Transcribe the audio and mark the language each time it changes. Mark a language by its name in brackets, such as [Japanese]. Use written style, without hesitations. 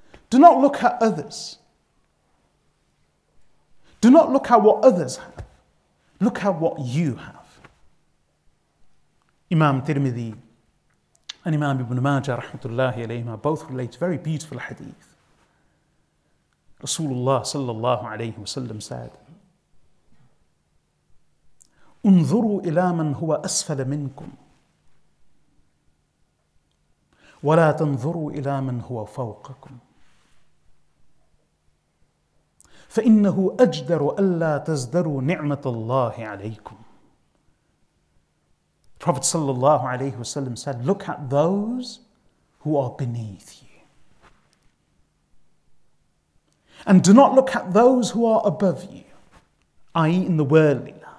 [English] Do not look at others. Do not look at what others have. Look at what you have. Imam Tirmidhi and Imam Ibn Majah rahmatullahi alayhima both relate very beautiful hadith. Rasulullah sallallahu alayhi wa sallam said, [Arabic] انظروا إلى من هو أسفل منكم ولا تنظروا إلى من هو فوقكم فإنه أجدر ألا تزدروا نعمة الله عليكم. [English] Prophet sallallahu alayhi wa sallam said, look at those who are beneath you and do not look at those who are above you, i.e. in the worldly.